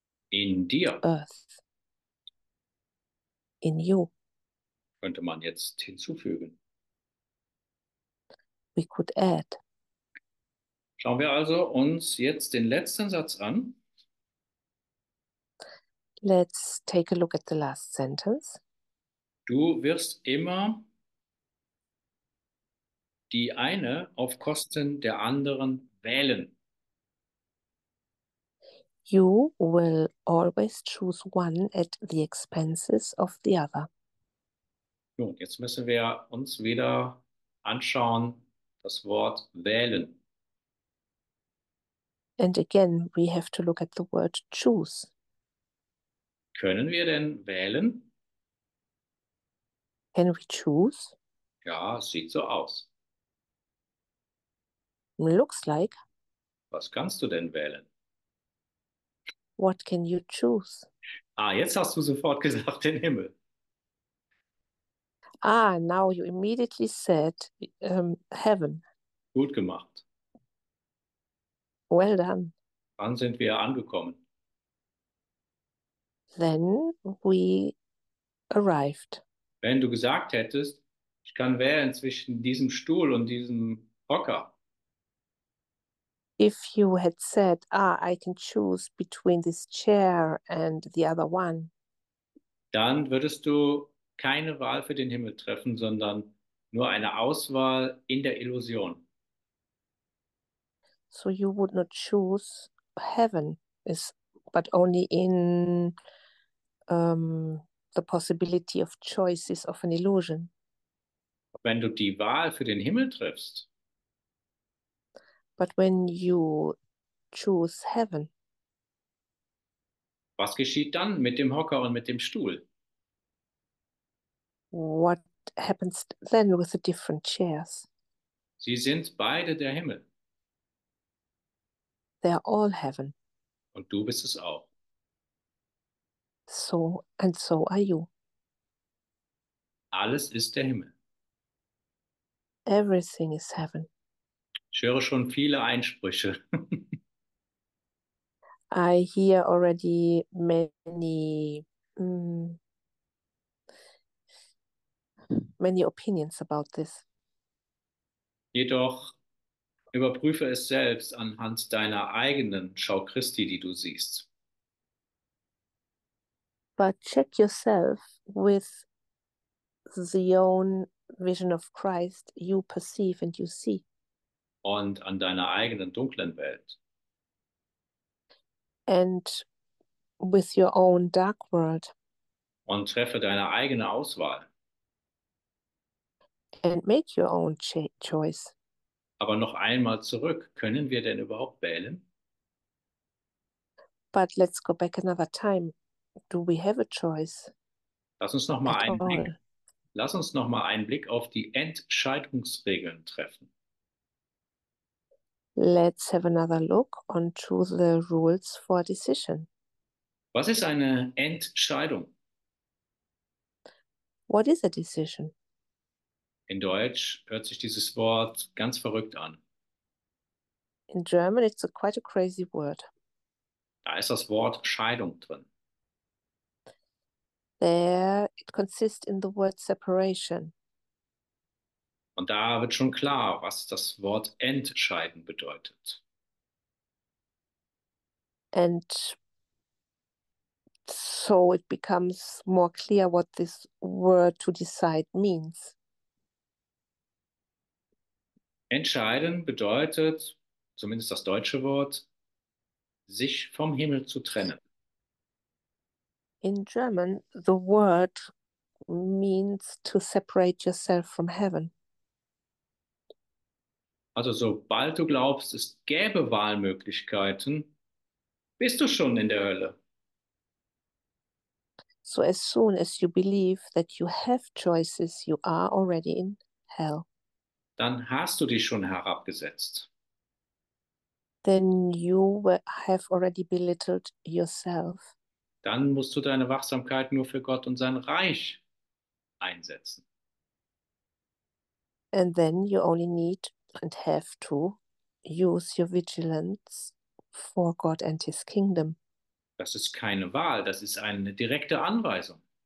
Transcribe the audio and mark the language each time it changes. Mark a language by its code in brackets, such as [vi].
[de] In dir. [en] Earth. In you. [de] Könnte man jetzt hinzufügen. [en] We could add. [de] Schauen wir also uns jetzt den letzten Satz an. [en] Let's take a look at the last sentence. [de] Du wirst immer die eine auf Kosten der anderen wählen. [en] You will always choose one at the expenses of the other. [de] Nun, jetzt müssen wir uns wieder anschauen, das Wort wählen. [en] And again, we have to look at the word choose. [de] Können wir denn wählen? [en] Can we choose? [de] Ja, sieht so aus. [en] Looks like. [de] Was kannst du denn wählen? [en] What can you choose? [de] Ah, jetzt hast du sofort gesagt, den Himmel. [en] Ah, now you immediately said heaven. [de] Gut gemacht. [en] Well done. [de] Wann sind wir angekommen? [en] Then we arrived. [de] Wenn du gesagt hättest, ich kann wählen zwischen diesem Stuhl und diesem Hocker. [en] If you had said, ah, I can choose between this chair and the other one. [de] Dann würdest du keine Wahl für den Himmel treffen, sondern nur eine Auswahl in der Illusion. [en] So you would not choose heaven, is but only in the possibility of choices of an illusion. [de] Wenn du die Wahl für den Himmel triffst, [en] but when you choose heaven, [de] was geschieht dann mit dem Hocker und mit dem Stuhl? [en] What happens then with the different chairs? [de] Sie sind beide der Himmel. [en] They are all heaven. [de] Und du bist es auch. [en] So and so are you. [de] Alles ist der Himmel. [en] Everything is heaven. [de] Ich höre schon viele Einsprüche. [en] I hear already many many opinions about this. [de] Jedoch überprüfe es selbst anhand deiner eigenen Schau Christi, die du siehst. [en] But check yourself with the own vision of Christ you perceive and you see. [de] Und an deiner eigenen dunklen Welt. [en] And with your own dark world. [de] Und treffe deine eigene Auswahl. [en] And make your own choice. [de] Aber noch einmal zurück, können wir denn überhaupt wählen? [en] But let's go back another time. Do we have a choice? [de] Lass uns noch mal [en] At [de] einen [en] all? [de] Blick. Lass uns noch mal einen Blick auf die Entscheidungsregeln treffen. [en] Let's have another look onto the rules for decision. [de] Was ist eine Entscheidung? [en] What is a decision? [de] In Deutsch hört sich dieses Wort ganz verrückt an. [en] In German it's a quite a crazy word. [de] Da ist das Wort Scheidung drin. [en] There, it consists in the word separation. [de] Und da wird schon klar, was das Wort entscheiden bedeutet. [en] And so it becomes more clear what this word to decide means. [de] Entscheiden bedeutet, zumindest das deutsche Wort, sich vom Himmel zu trennen. [en] In German, the word means to separate yourself from heaven. [de] Also sobald du glaubst, es gäbe Wahlmöglichkeiten, bist du schon in der Hölle. [en] So as soon as you believe that you have choices, you are already in hell. [de] Dann hast du dich schon herabgesetzt. [en] Then you have already belittled yourself. [de] Dann musst du deine Wachsamkeit nur für Gott und sein Reich einsetzen. [en] And then you only need and have to use your vigilance for God and his kingdom. [de] Das ist keine Wahl, das ist eine direkte Anweisung.